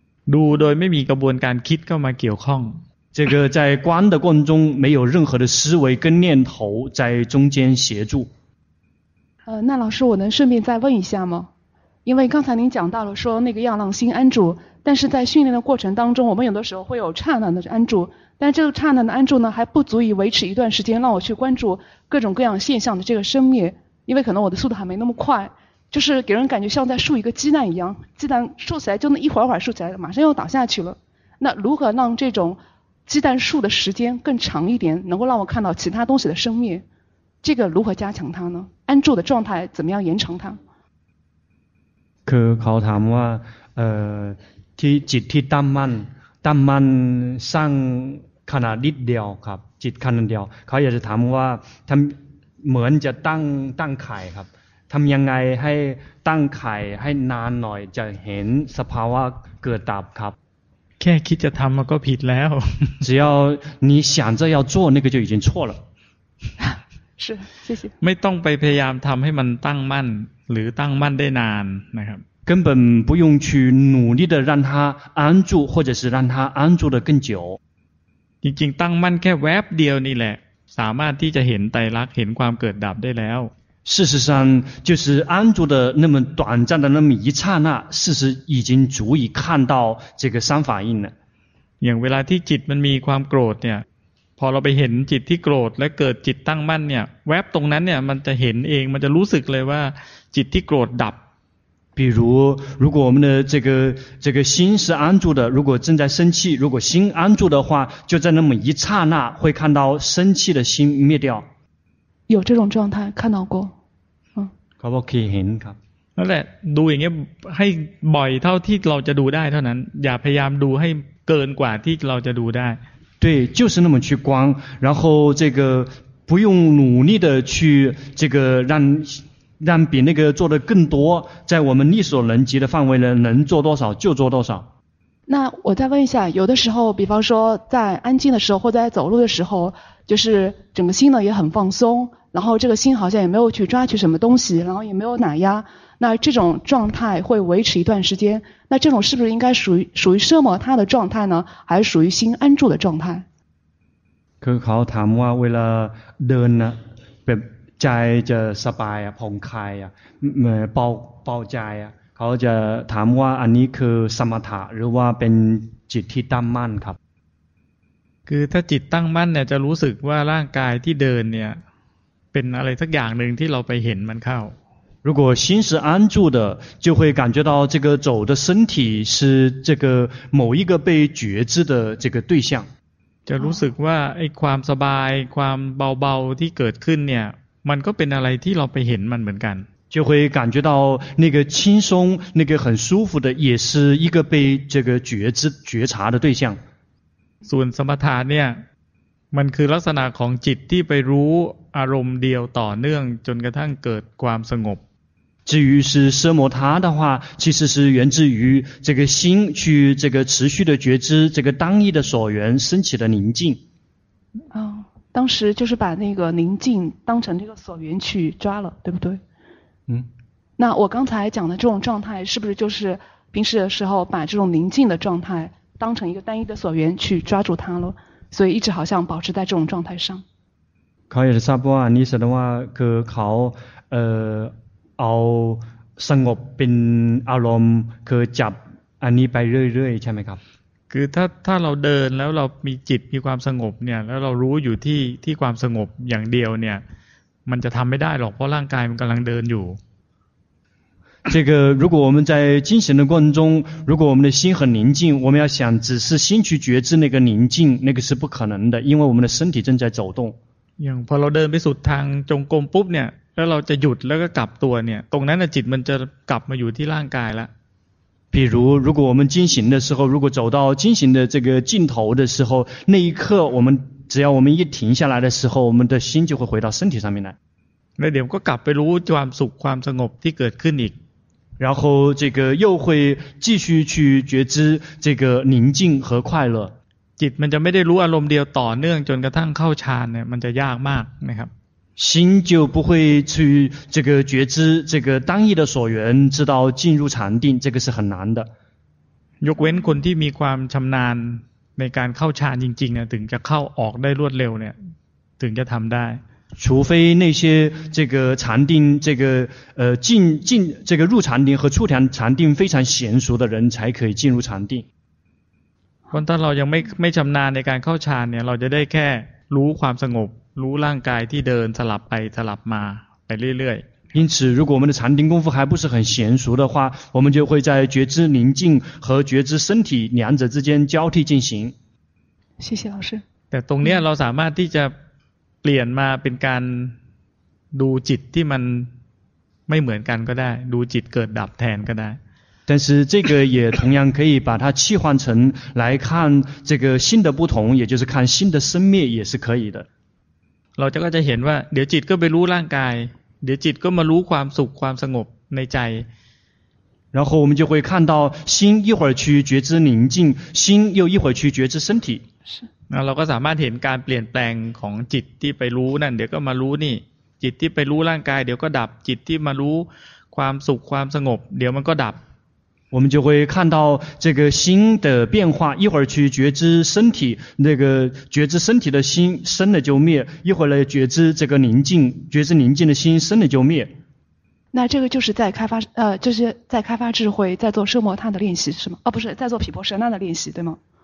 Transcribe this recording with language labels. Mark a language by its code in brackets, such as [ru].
[th] ดูโดยไม่มีกระบวนการคิดเข้ามาเกี่ยวข้อง [zh] 这个在观的过程中没有任何的思维跟念头在中间协助那老师我能顺便再问一下吗因为刚才您讲到了说那个要让心安住但是在训练的过程当中我们有的时候会有刹那的安住但这个刹那的安住呢还不足以维持一段时间让我去关注各种各样现象的这个生灭因为可能我的速度还没那么快就是给人感觉像在竖一个鸡蛋一样鸡蛋竖起来就那一会儿竖起来马上又倒下去了那如何让这种鸡蛋竖的时间更长一点能够让我看到其他东西的生灭这个如何加强它呢安住的状态怎么样延长它 [th] คือเขาถามว่าที่จิตที่ตั้งมั่นสร้างขนาดนิดเดียวครับจิตขนาดเดียวเขาอยากจะถามว่าทำเหมือนจะตั้งไข่ครับทำยังไงให้ตั้งไข่ให้นานหน่อยจะเห็นสภาวะเกิดดับครับ แค่คิดจะทำมันก็ผิดแล้ว [zh] 只要你想着要做那个就已经错了是谢谢 [th] ไม่ต้องไปพยายามทำให้มันตั้งมั่นหรือตั้งมั่นได้นานนะครับ [zh] 根本不用去努力的让他安住或者是让他安住的更久 [th] จริงๆตั้งมั่นแค่แวบเดียวนี่แหละสามารถที่จะเห็นไตรลักษณ์เห็นความเกิดดับได้แล้ว [zh] 事实上就是安住的那么短暂的那么一刹那事实已经足以看到这个三反应了 [th] อย่างเวลาที่จิตมันมีความโกรธเนี่ยพอเราไปเห็นจิตที่โกรธและเกิดจิตตั้งมั่นเนี่ยแวบตรงนั้นเนี่ยมันจะเห็นเองมันจะรู้สึกเลยว่าจิตที่โกรธดับ [zh] 比如如果我们的这个心是安住的如果正在生气如果心安住的话就在那么一刹那会看到生气的心灭掉有这种状态看到过可不可以 [th] เห็นครับ นั่นแหละดูอย่างเงี้ยให้บ่อยเท่าที่เราจะดูได้เท่านั้นอย่าพยายามดูให้เกินกว่าที่เราจะดูได้ [zh] 对就是那么去观然后这个不用努力的去这个让比那个做的更多在我们力所能及的范围内能做多少就做多少那我再问一下有的时候比方说在安静的时候或在走路的时候就是整个心呢也很放松然后这个心好像也没有去抓取什么东西然后也没有打压那这种状态会维持一段时间那这种是不是应该属于奢摩他的状态呢还是属于心安住的状态 [th] คือเขาถามว่าเวลาเดินนะแบบใจจะสบายอ่ะผ่องคลายอ่ะเบาใจอ่ะเ ขาจะถามว่าอันนี้คือสมถะหรือว่าเป็นจิตที่ตั้งมั่นครับ คือถ้าจิตตั้งมั่นเนี่ยจะรู้สึกว่าร่างกายที่เดินเนี่ยเป็นอะไรสักอย่างหนึ่งที่เราไปเห็นมันเข้า [zh] 如果心是安住的就会感觉到这个走的身体是这个某一个被觉知的这个对象 [th] จะรู้สึกว่าไอ้ความสบายความเบาๆที่เกิดขึ้นเนี่ยมันก็เป็นอะไรที่เราไปเห็นมันเหมือนกัน [zh] 就会感觉到那个轻松那个很舒服的也是一个被这个觉知觉察的对象 [th] ส่วนสมถะเนี่ยมันคือลักษณะของจิตที่ไปรู้อารมณ์เดียวต่อเนื่องจนกระทั่งเกิดความสงบ [zh] 至于是奢摩他的话其实是源自于这个心去这个持续的觉知这个当一的所缘升起的宁静哦，当时就是把那个宁静当成这个所缘去抓了对不对那我刚才讲的这种状态是不是就是平时的时候把这种宁静的状态当成一个单一的所缘去抓住它了所以一直好像保持在这种状态上 [th] เขาอยากจะทราบว่านิสัยว่าคือเขาเอาสงบเป็นอารมณ์คือจับอันนี้ไปเรื่อยๆใช่ไหมครับ คือถ้าเราเดินแล้วเรามีจิตมีความสงบเนี่ยแล้วเรารู้อยู่ที่ความสงบอย่างเดียวเนี่ยมันจะทำไม่ได้หรอกเพราะร่างกายมันกำลังเดินอยู่ [zh] 这个如果我们在进行的过程中如果我们的心很宁静我们要想只是心去觉知那个宁静那个是不可能的因为我们的身体正在走动 [th] อย่างพอเราเดินไปสุดทางจงกรมปุ๊บเนี่ยแล้วเราจะหยุดแล้วก็กลับตัวเนี่ยตรงนั้นจิตมันจะกลับมาอยู่ที่ร่างกายละ [zh] 比如如果我们进行的时候如果走到进行的这个尽头的时候那一刻我们只要我们一停下来的时候我们的心就会回到身体上面来 [th] แล้วเดี๋ยวก็กลับไปรู้ความสุขความสงบที่เกิดขึ้นอีก [zh] 然后这个又会继续去觉知这个宁静和快乐 [th] จิตมันจะไม่ได้รู้อารมณ์เดียวต่อเนื่องจนกระทั่งเข้าฌานเนี่ยมันจะยากมากนะครับ [zh] 心就不会去这个觉知这个当一的所缘直到进入禅定这个是很难的 [th] ยกเว้นคนที่มีความชำนาญในการเข้าฌานจริงๆเนี่ยถึงจะเข้าออกได้รวดเร็วเนี่ยถึงจะทำได้ [zh] 除非那些这个禅定这个进这个入禅定和出禅定非常娴熟的人才可以进入禅定。但当我们没 [th] ชำนาญในการเข้าฌานเนี่ยเราจะได้แค่รู้ความสงบรู้ร่างกายที่เดินสลับไปสลับมาไปเรื่อย [zh] ๆ因此如果我们的禅定功夫还不是很娴熟的话我们就会在觉知宁静和觉知身体两者之间交替进行。谢谢老师。 [th] แต่ตรงนี้เราสามารถที่จะเปลี่ยนมาเป็นการดูจิตที่มันไม่เหมือนกันก็ได้ดูจิตเกิดดับแทนก็ได้ [zh] 但是这个也同样可以把它替换成来看这个心的不同也就是看心的生灭也是可以的 [th] เราจะก็จะเห็นว่าเดี๋ยวจิตก็ไปรู้ร่างกายเดี๋ยวจิตก็มารู้ความสุขความสงบในใจ [zh] 然后我们就会看到心一会儿去觉知宁静心又一会儿去觉知身体 [th] เราก็สามารถเห็นการเปลี่ยนแปลงของจิตที่ไปรู้นั่นเดี๋ยวก็มารู้นี่จิตที่ไปรู้ร่างกายเดี๋ยวก็ดับจิตที่มารู้ความสุขความสงบเดี๋ยวมันก็ดับ [zh] 我们就会看到这个心的变化一会儿去觉知身体那个觉知身体的心生了就灭一会儿来觉知这个宁静觉知宁静的心生了就灭那这个就是在开发就是在开发智慧在做奢摩他的练习是吗不是在做毗婆舍那的练习对吗